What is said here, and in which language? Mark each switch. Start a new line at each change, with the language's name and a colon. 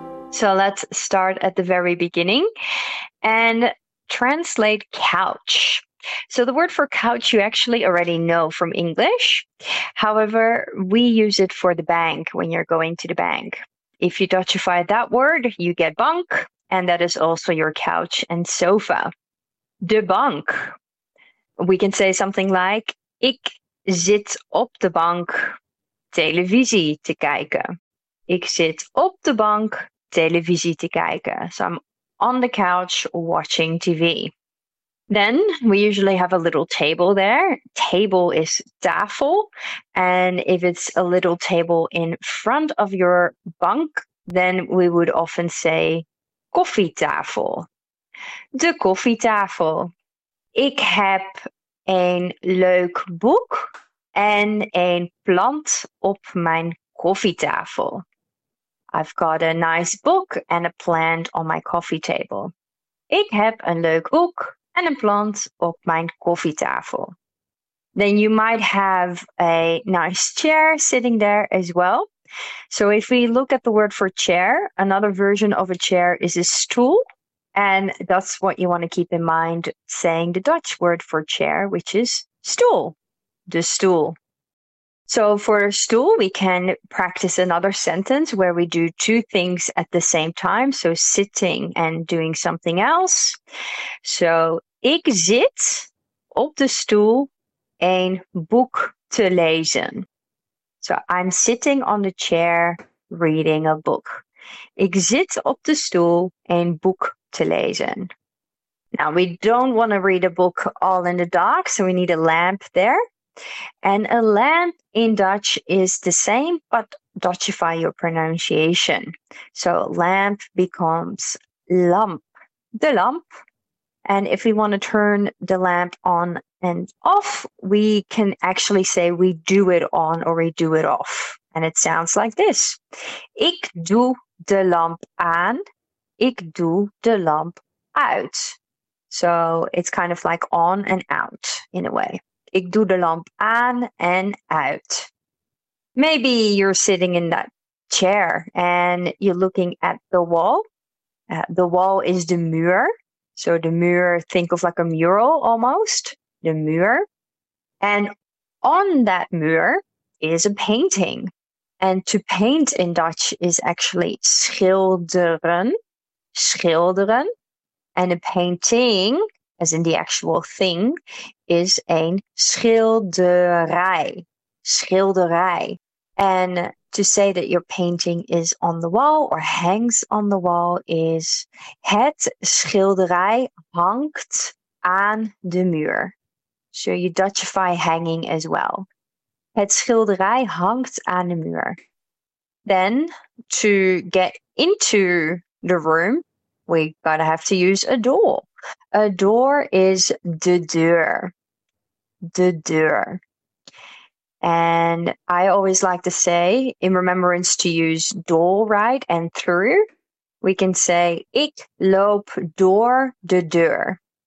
English: So let's start at the very beginning and translate couch. So the word for couch you actually already know from English. However, we use it for the bank when you're going to the bank. If you Dutchify that word, you get bunk, and that is also your couch and sofa.
Dutch: De bank.
English: We can say something like,
Dutch: ik zit op de bank televisie te kijken. Ik zit op de bank televisie te kijken.
English: So I'm on the couch watching TV. Then we usually have a little table there. Table is tafel. And if it's a little table in front of your bunk, then we would often say koffietafel.
Dutch: De koffietafel. Ik heb een leuk boek en een plant op mijn koffietafel.
English: I've got a nice book and a plant on my coffee table.
Dutch: Ik heb een leuk boek.
English: And a plant
Dutch: op mijn koffietafel.
English: Then you might have a nice chair sitting there as well. So if we look at the word for chair, another version of a chair is a stoel. And that's what you want to keep in mind saying the Dutch word for chair, which is stoel, de stoel. So for a stoel, we can practice another sentence where we do two things at the same time. So sitting and doing something else.
Dutch: So ik zit op de stoel een boek te lezen.
English: So I'm sitting on the chair reading a book.
Dutch: Ik zit op de stoel een boek te lezen.
English: Now we don't want to read a book all in the dark, so we need a lamp there. And a lamp in Dutch is the same, but Dutchify your pronunciation. So lamp becomes lamp, de lamp. And if we want to turn the lamp on and off, we can actually say we do it on or we do it off. And it sounds like this.
Dutch: Ik doe de lamp aan, ik doe de lamp uit.
English: So it's kind of like on and out in a way.
Dutch: Ik doe de lamp aan en uit.
English: Maybe you're sitting in that chair and you're looking at the wall. The wall is de muur. So de muur, think of like a mural almost. De muur. And on that muur is a painting. And to paint in Dutch is actually schilderen.
Dutch: Schilderen.
English: And a painting, as in the actual thing, is een schilderij. Schilderij. And to say that your painting is on the wall or hangs on the wall is
Dutch: het schilderij hangt aan de muur.
English: So you Dutchify hanging as well.
Dutch: Het schilderij hangt aan de muur.
English: Then to get into the room, we gotta have to use a door. A door is de deur. de deur. And I always like to say, in remembrance to use door, right, and through, we can say,
Dutch: ik loop door de deur.